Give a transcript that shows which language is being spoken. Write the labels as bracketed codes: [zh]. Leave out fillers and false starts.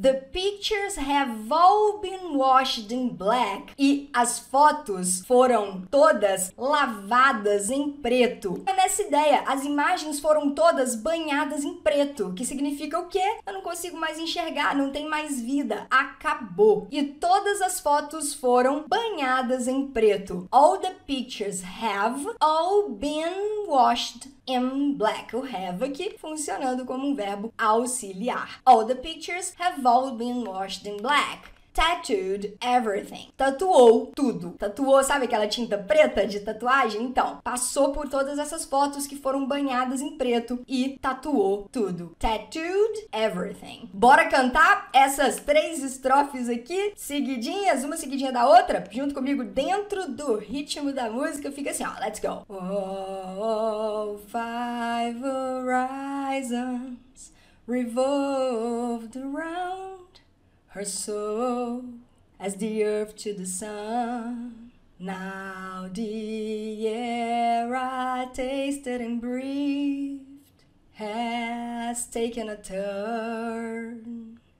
[en] The pictures have all been washed in black. [pt] E as fotos foram todas lavadas em preto. É nessa ideia. As imagens foram todas banhadas em preto. Que significa o quê? Eu não consigo mais enxergar, não tem mais vida. Acabou. E todas as fotos foram banhadas em preto. [en] All the pictures have all been washed in black. [pt] O have aqui funcionando como um verbo auxiliar. [en] All the pictures have all been washed in black. Tattooed everything. [pt] Tatuou tudo. Tatuou, sabe aquela tinta preta de tatuagem? Então, passou por todas essas fotos que foram banhadas em preto e tatuou tudo. [en] Tattooed everything. [pt] Bora cantar essas três estrofes aqui, seguidinhas, uma seguidinha da outra, junto comigo dentro do ritmo da música. Fica assim, ó, [en] let's go. All five horizons revolved around her soul, as the earth to the sun. Now the air I tasted and breathed has taken a turn.